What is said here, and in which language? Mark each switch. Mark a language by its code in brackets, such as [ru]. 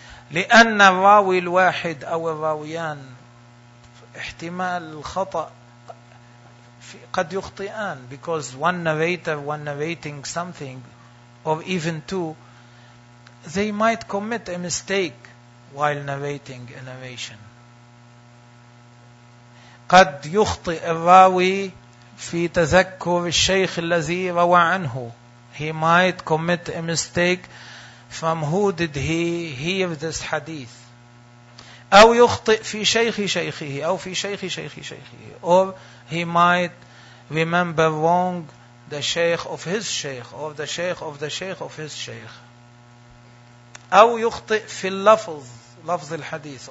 [ar] لأن الراوي الواحد أو الراويان احتمال الخطأ قد يخطئان, [en] because one narrator, one narrating something, or even two, they might commit a mistake while narrating a narration. [ar] قد يخطئ الراوي في تذكر الشيخ الذي روى عنه. [en] He might commit a mistake from who did he hear this hadith. [ar] أو يخطئ في شيخ شيخه أو في شيخ شيخ شيخه. [en] Or he might remember wrong the sheikh of his sheikh, or the sheikh of the sheikh of his sheikh. [ar] أو يخطئ في اللفظ, لفظ الحديث.